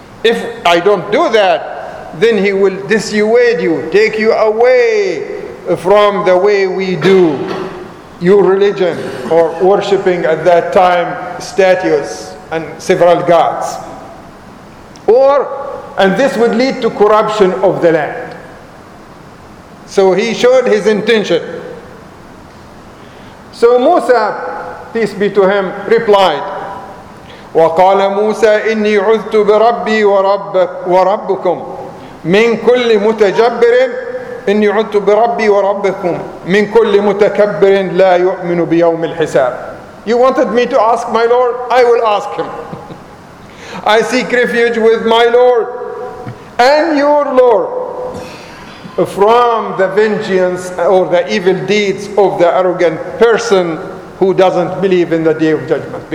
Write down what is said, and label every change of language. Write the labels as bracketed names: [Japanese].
[English] If I don't do that, then he will dissuade you, take you away from the way we do your religion, or worshipping at that time statues and several gods. And this would lead to corruption of the land. So he showed his intention. So Musa, peace be to him, replied, [Arabic] وَقَالَ مُوسَى إِنِّي عُذْتُ بِرَبِّي وَرَبُّكُمْ مِنْ كُلِّ مُتَجَبِّرٍ إِنِّي عُذْتُ بِرَبِّي وَرَبِّكُمْ مِنْ كُلِّ مُتَكَبِّرٍ لَا يُؤْمِنُ بِيَوْمِ الْحِسَابِ. [English] You wanted me to ask my Lord? I will ask him. I seek refuge with my Lord and your Lord from the vengeance or the evil deeds of the arrogant person who doesn't believe in the Day of Judgment.